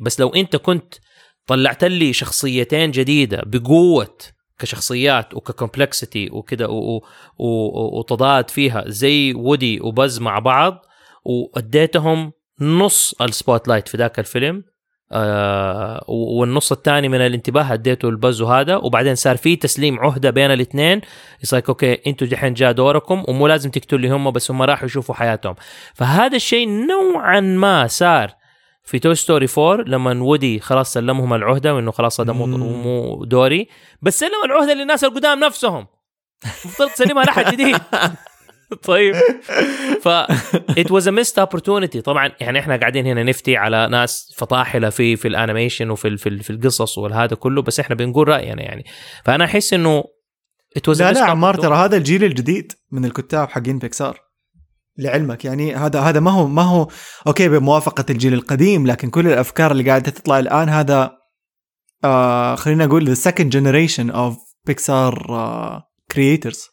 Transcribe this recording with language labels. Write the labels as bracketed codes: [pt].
[ar] بس لو انت كنت طلعت لي شخصيتين جديدة بقوة كشخصيات وككمبلكسيتي وكذا وتضاد فيها زي وودي وبز مع بعض، واديتهم نص السبوت لايت في ذاك الفيلم والنص الثاني من الانتباه اديته البز وهذا، وبعدين صار في تسليم عهدة بين الاثنين يصيرك اوكي انتوا دحين جاء دوركم ومو لازم تقتل لي هم، بس هم راح يشوفوا حياتهم. فهذا الشيء نوعا ما صار في توي ستوري 4 لما وودي خلاص سلمهم العهدة وانه خلاص هذا مو دوري، بس سلم العهدة للناس القدام نفسهم مفترض سلمها لحد جديد. طيب ف [en] it was a missed opportunity. [ar] طبعا يعني احنا قاعدين هنا نفتي على ناس فطاحلة في الانيميشن وفي في في القصص والهذا كله، بس احنا بنقول راينا يعني. فانا احس انه [en] it was [ar] لا يا عمار ترى هذا الجيل الجديد من الكتاب حقين بيكسار لعلمك يعني، هذا ما هو اوكي بموافقة الجيل القديم، لكن كل الافكار اللي قاعدة تطلع الان هذا خلينا نقول [en] the second generation of Pixar creators.